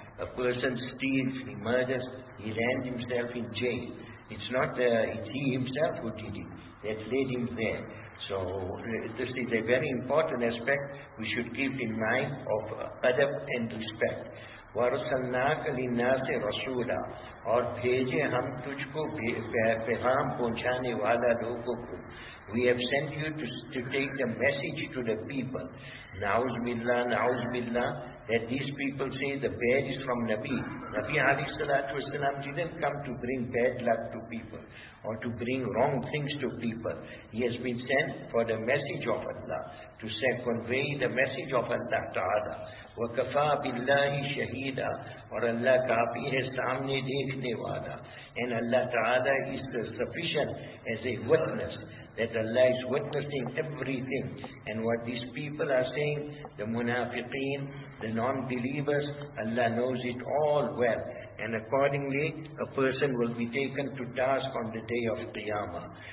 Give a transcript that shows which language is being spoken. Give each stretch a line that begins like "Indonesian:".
English: A person steals, he murders, he lands himself in jail. It's not it's he himself who did it. That led him there. So this is a very important aspect we should keep in mind of adab and respect.
Arabic: وَرَسَلْنَاكَ لِلنَّاسِ رَسُولًا.
Urdu: اور بھیجے ہم تجھ کو پیغام پہنچانے والا لوگوں کو.
English: We have sent you to take the message to the people. نعوذ باللہ that these people say the bad is from Nabi. Nabi alayhi salatu wasalam didn't come to bring bad luck to people or to bring wrong things to people. He has been sent for the message of Allah, to say, convey the message of Allah Ta'ala.
Arabic: وَكَفَى بِاللَّهِ شَهِيدًا.
Urdu: اور اللہ کافی ہے سامنے دیکھنے والا.
English: And Allah Ta'ala is sufficient as a witness, that Allah is witnessing everything. And what these people are saying, the munafiqeen, the non-believers, Allah knows it all well. And accordingly, a person will be taken to task on the day of Qiyamah.